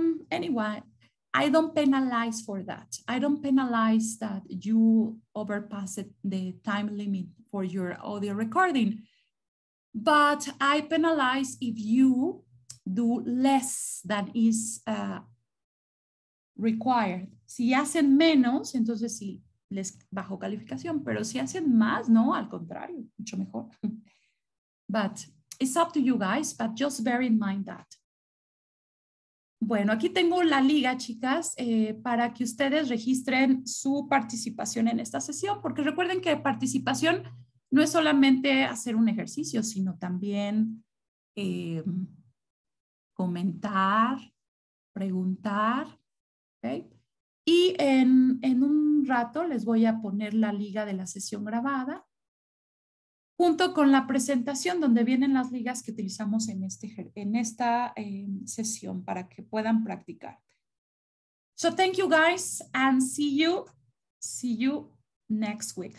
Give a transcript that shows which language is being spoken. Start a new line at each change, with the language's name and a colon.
English: Anyway, I don't penalize for that. I don't penalize that you overpass the time limit for your audio recording. But I penalize if you do less than is required.
Spanish: Si hacen menos, entonces sí, les bajo calificación. Pero si hacen más, no, al contrario, mucho mejor.
English: But it's up to you guys, but just bear in mind that.
Spanish: Bueno, aquí tengo la liga, chicas, para que ustedes registren su participación en esta sesión. Porque recuerden que participación no es solamente hacer un ejercicio, sino también comentar, preguntar, ¿okay? Y en un rato les voy a poner la liga de la sesión grabada junto con la presentación donde vienen las ligas que utilizamos en, esta sesión para que puedan practicar.
English: So thank you guys and see you next week.